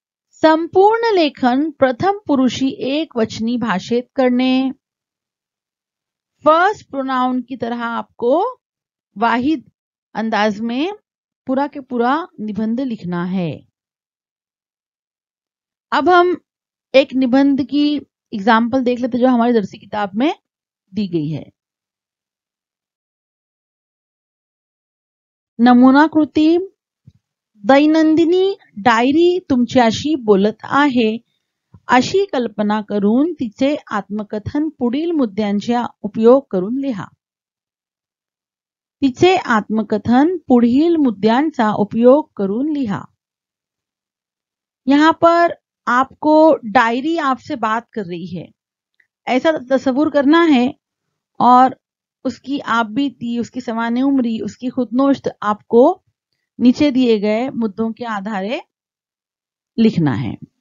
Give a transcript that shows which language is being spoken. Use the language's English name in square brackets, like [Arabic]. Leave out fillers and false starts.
[Marathi] संपूर्ण लेखन प्रथम पुरुषी एक वचनी भाषित [Hindi] करने, फर्स्ट प्रोनाउन की तरह आपको वाहिद अंदाज में पूरा के पूरा निबंध लिखना है। अब हम एक निबंध की एग्जाम्पल देख लेते जो हमारी दर्सी किताब में दी गई है। [Marathi] नमुना कृति, दैनंदिनी डायरी तुमच्याशी बोलत आहे अशी कल्पना करून तिचे आत्मकथन पुढील मुद्द्यांचा उपयोग करून लिहा। तिचे आत्मकथन पुढील मुद्द्यांचा उपयोग करून लिहा। [Hindi] यहाँ पर आपको डायरी आपसे बात कर रही है ऐसा तसव्वुर करना है और उसकी आप बीती, उसकी सामान्य उम्री, उसकी खुदनोश्त आपको नीचे दिए गए मुद्दों के आधारे लिखना है।